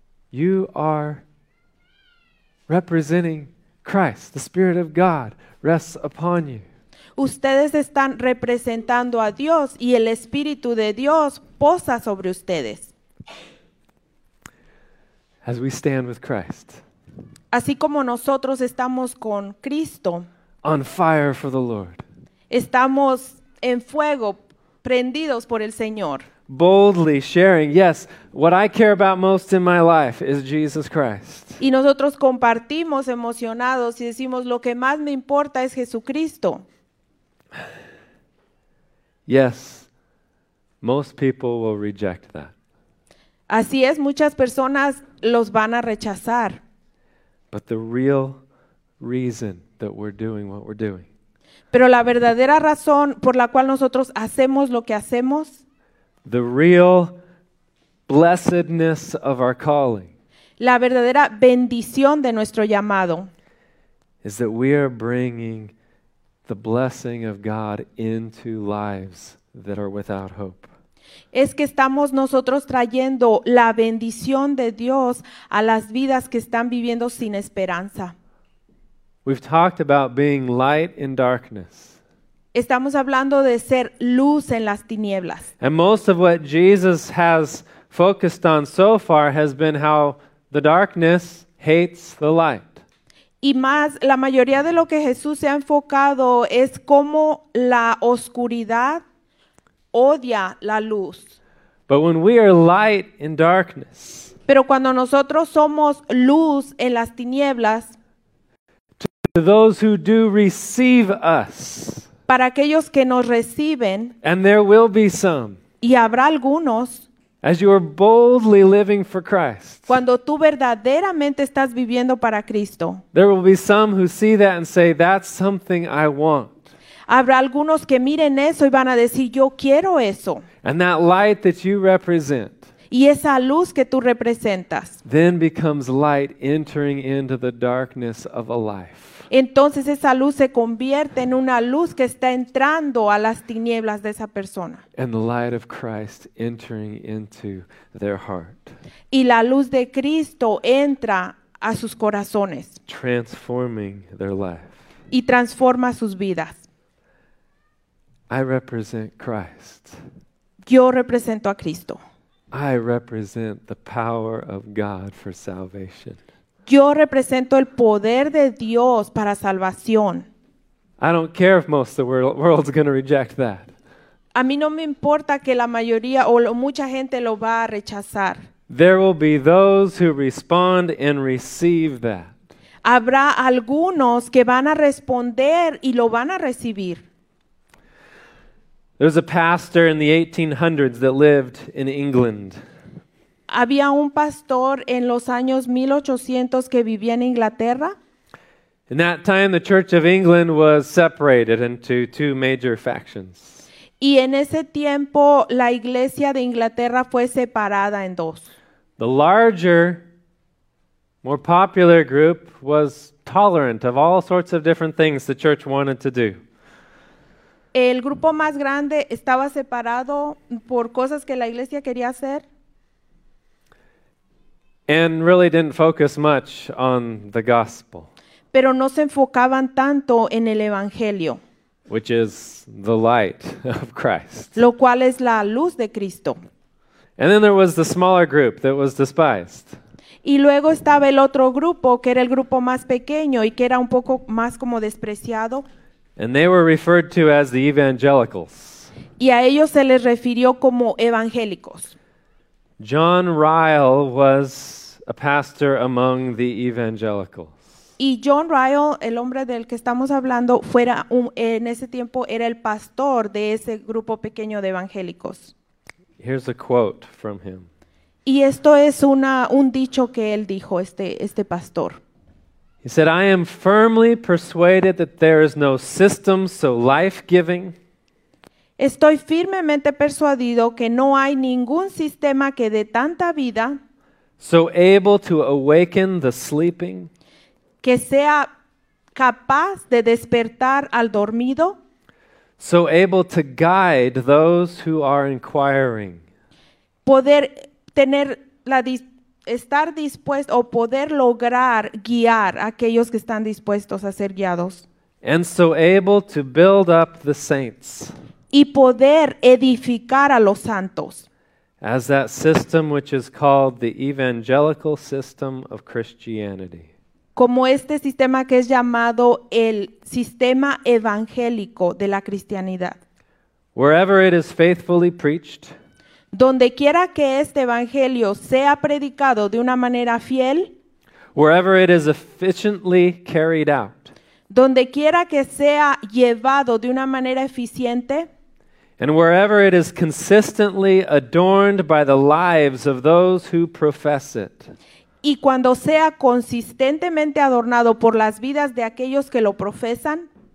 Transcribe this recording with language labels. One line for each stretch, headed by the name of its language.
English: You are representing Christ, the Spirit of God rests upon you.
Spanish: Ustedes están representando a Dios y el Espíritu de Dios posa sobre ustedes.
English: As we stand with Christ.
Spanish: Así como nosotros estamos con Cristo.
English: On fire for the Lord.
Spanish: Estamos en fuego, prendidos por el Señor.
English: Boldly sharing, yes, what I care about most in my life is Jesus Christ.
Spanish: Y nosotros compartimos emocionados y decimos lo que más me importa es Jesucristo.
English: Yes, most people will reject that.
Spanish: Así es, muchas personas los van a rechazar.
English: But the real reason that we're doing what we're doing.
Spanish: Pero la verdadera razón por la cual nosotros hacemos lo que hacemos.
English: The real blessedness of our calling.
Spanish: La verdadera bendición de nuestro llamado.
English: Is that we are bringing the blessing of God into lives that are without hope.
Spanish: Es que estamos nosotros trayendo la bendición de Dios a las vidas que están viviendo sin esperanza.
English: We've talked about being light in darkness.
Spanish: Estamos hablando de ser luz en las tinieblas.
English: And most of what Jesus has focused on so far has been how the darkness hates the light.
Spanish: Y más, la mayoría de lo que Jesús se ha enfocado es cómo la oscuridad odia la luz.
English: But when we are light in darkness,
Spanish: pero cuando nosotros somos luz en las tinieblas,
English: to those who do receive us,
Spanish: para aquellos que nos reciben,
English: and there will be some,
Spanish: y habrá algunos,
English: as you are boldly living for Christ,
Spanish: cuando tú verdaderamente estás viviendo para Cristo,
English: there will be some who see that and say, that's something I want.
Spanish: Habrá algunos que miren eso y van a decir, yo quiero eso.
English: And that light that you represent,
Spanish: y esa luz que tú representas,
English: then becomes light entering into the darkness of a life.
Spanish: Entonces esa luz se convierte en una luz que está entrando a las tinieblas de esa persona.
English: And the light of Christ entering into their heart.
Spanish: Y la luz de Cristo entra a sus corazones.
English: Transforming their life.
Spanish: Y transforma sus vidas.
English: I represent Christ.
Spanish: Yo represento a Cristo.
English: I represent the power of God for salvation.
Spanish: Yo represento el poder de Dios para salvación.
English: I don't care if most of the world's going to reject that.
Spanish: A mí no me importa que la mayoría o mucha gente lo va a rechazar.
English: There will be those who respond and receive that.
Spanish: Habrá algunos que van a responder y lo van a recibir.
English: There was a pastor in the 1800s that lived in England.
Spanish: Había un pastor en los años 1800 que vivía en Inglaterra.
English: In that time, the Church of England was separated into two major factions.
Spanish: Y en ese tiempo, la Iglesia de Inglaterra fue separada en dos.
English: The larger, more popular group was tolerant of all sorts of different things the church wanted to do.
Spanish: El grupo más grande estaba separado por cosas que la iglesia quería hacer.
English: And really didn't focus much on the gospel.
Spanish: Pero no se enfocaban tanto en el evangelio.
English: Which is the light of Christ.
Spanish: Lo cual es la luz de Cristo.
English: And then there was the smaller group that was despised.
Spanish: Y luego estaba el otro grupo que era el grupo más pequeño y que era un poco más como despreciado.
English: And they were referred to as the evangelicals.
Spanish: Y a ellos se les refirió como evangélicos.
English: John Ryle was a pastor among the evangelicals.
Spanish: Y John Ryle, el hombre del que estamos hablando, fuera un, en ese tiempo era el pastor de ese grupo pequeño de evangélicos.
English: Here's a quote from him.
Spanish: Y esto es una, un dicho que él dijo, este, este pastor.
English: He said, I am firmly persuaded that there is no system so life-giving.
Spanish: Estoy firmemente persuadido que no hay ningún sistema que dé tanta vida.
English: So able to awaken the sleeping.
Spanish: Que sea capaz de despertar al dormido.
English: So able to guide those who are inquiring.
Spanish: Poder tener la estar dispuesto o poder lograr guiar a aquellos que están dispuestos a ser guiados.
English: And so able to build up the saints.
Spanish: Y poder edificar a los santos.
English: As that system which is called the evangelical system of Christianity.
Spanish: Como este sistema que es llamado el sistema evangélico de la cristianidad.
English: Wherever it is faithfully preached.
Spanish: Donde quiera que este evangelio sea predicado de una manera fiel.
English: Wherever it is efficiently carried out.
Spanish: Donde quiera que sea llevado de una manera eficiente.
English: And wherever it is consistently adorned by the lives of those who profess it.
Spanish: Y cuando sea consistentemente adornado por las vidas de aquellos que lo profesan.